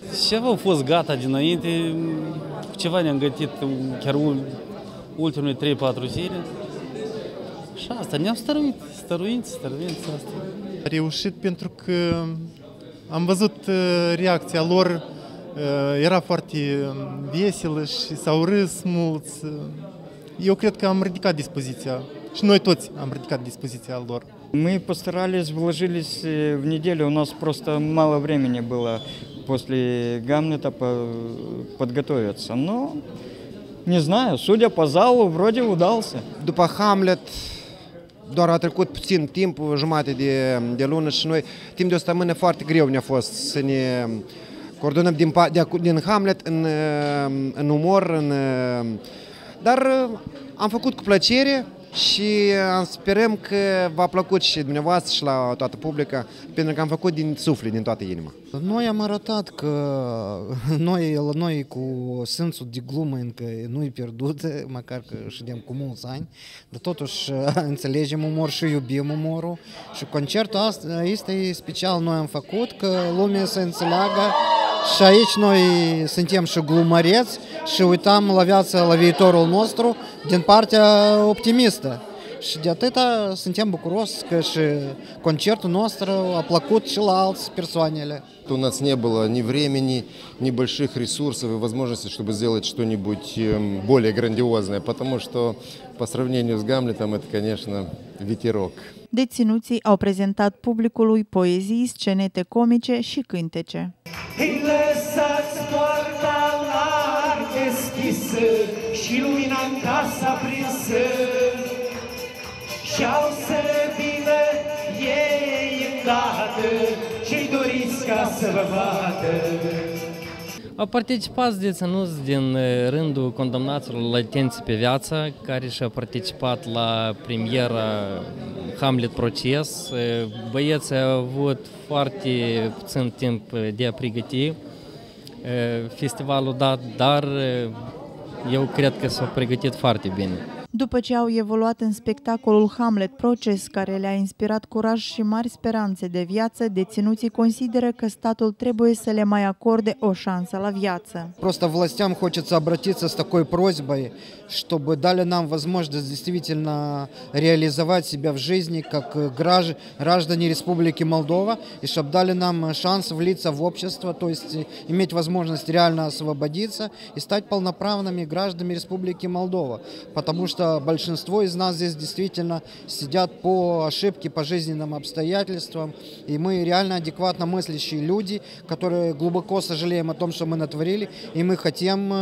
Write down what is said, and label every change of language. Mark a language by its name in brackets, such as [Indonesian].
[Romanian] Ceva a fost gata dinainte, ceva ne-am gătit chiar ultimele 3-4 zile și asta ne-am stăruit asta. A reușit pentru că am văzut reacția lor, era foarte veselă și s-au râs mulți. Eu cred că am ridicat dispoziția și noi toți am ridicat dispoziția lor. [Russian] Мы постарались, вложились в неделю, у нас просто мало времени было после Гамлета подготовиться. Но, не знаю, судя по залу, вроде удался. [Romanian] După Hamlet, doar a trecut puțin timp, jumate de lună și noi, timp de o săptămână foarte greu ne-a fost să ne coordonăm din Hamlet în umor, dar am făcut cu plăcere. Și sperăm că v-a plăcut și dumneavoastră și la toată publica, pentru că am făcut din suflet, din toată inima. Noi am arătat că noi cu sensul de glumă încă nu-i pierdut, măcar că ședem cu mulți ani, dar totuși înțelegem umor și iubim umorul. Și concertul ăsta este special, noi am făcut, că lumea să înțeleagă. Și aici noi suntem și glumăreți și uităm la viață, la viitorul nostru, din partea optimistă. Și de atâta suntem bucuros că și concertul nostru a plăcut și la alți persoanele. [Russian] У нас не было ни времени, ни больших ресурсов и возможностей, чтобы сделать что-нибудь более грандиозное, потому что по сравнению с Гамлетом это, конечно, ветерок. [Romanian] Деținуții au prezentat publicului poezii, scenete comice și cântece. Lăsați poarta larg deschisă și lumina în casă aprinsă și au să vină ei îndată cei doriți ca să vă vadă. A participat deținuți din rândul condamnaților latenți pe viață, care și-a participat la premiera Hamlet Proces. Băieții au avut foarte puțin timp de a pregăti festivalul dat, dar eu cred că s-au pregătit foarte bine. După ce au evoluat în spectacolul Hamlet Proces, care le-a inspirat curaj și mari speranțe de viață, deținuții consideră că statul trebuie să le mai acorde o șansă la viață. [Russian] Просто властям хочется обратиться с такой просьбой, чтобы дали нам возможность действительно реализовать себя в жизни как граждане Республики Молдова и чтобы дали нам шанс влиться в общество, то есть иметь возможность реально освободиться и стать полноправными гражданами Республики Молдова, потому что большинство из нас здесь действительно сидят по ошибке, по жизненным обстоятельствам, и мы реально адекватно мыслящие люди, которые глубоко сожалеем о том, что мы натворили, и мы хотим,